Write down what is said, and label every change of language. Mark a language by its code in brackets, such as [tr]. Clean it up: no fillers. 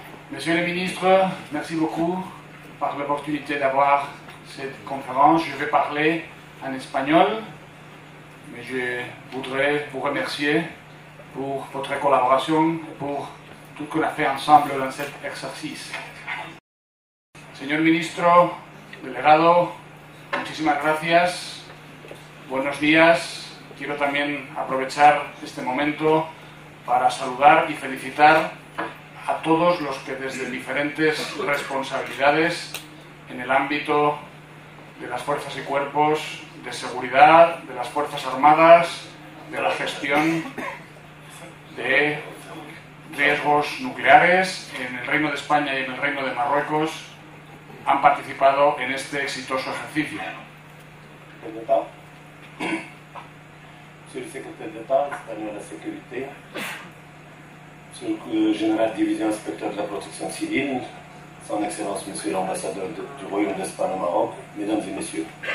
[fr] Monsieur le ministre, merci beaucoup pour l'opportunité d'avoir cette conférence. Je vais parler en espagnol, mais je voudrais vous remercier pour votre collaboration et pour tout ce qu'on a fait ensemble dans cet exercice. [es] Señor ministro, delegado, muchísimas gracias. Buenos días. Quiero también aprovechar este momento para saludar y felicitar a todos los que desde diferentes responsabilidades en el ámbito de las fuerzas y cuerpos de seguridad, de las fuerzas armadas, de la gestión de riesgos nucleares en el Reino de España y en el Reino de Marruecos han participado en este exitoso ejercicio. [fr] Monsieur le secrétaire d'État, espagnol de la sécurité, monsieur le général de division inspecteur de la protection civile, son excellence monsieur l'ambassadeur du Royaume d'Espagne au Maroc, mesdames et messieurs.